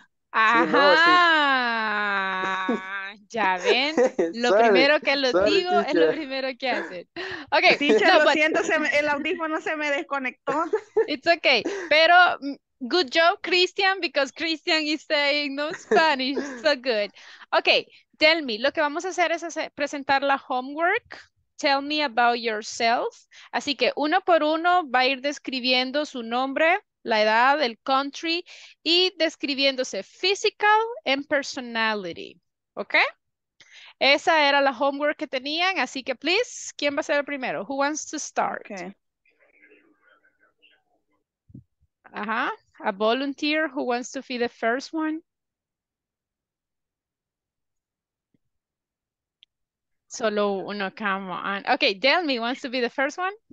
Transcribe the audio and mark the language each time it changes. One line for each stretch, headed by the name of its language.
Spanish: Ajá, sí, no, sí. Ya ven, lo primero que hacen.
English: Ok,
Spanish: teacher, siento, el audífono se me desconectó.
English: It's okay, pero good job, Christian, because Christian is saying no Spanish, so good. Ok, tell me,
Spanish: lo que vamos a hacer es presentar la homework.
English: Tell me about yourself.
Spanish: Así que uno por uno va a ir describiendo su nombre, la edad, el country, y describiéndose
English: physical and personality,
Spanish: ¿ok? Esa era la homework que tenían, así que please, ¿quién va a ser el primero?
English: Who wants to start? Okay. Ajá, a volunteer, who wants to be the first one?
Spanish: Solo uno,
English: come on. Okay, Delmi wants to be the first one.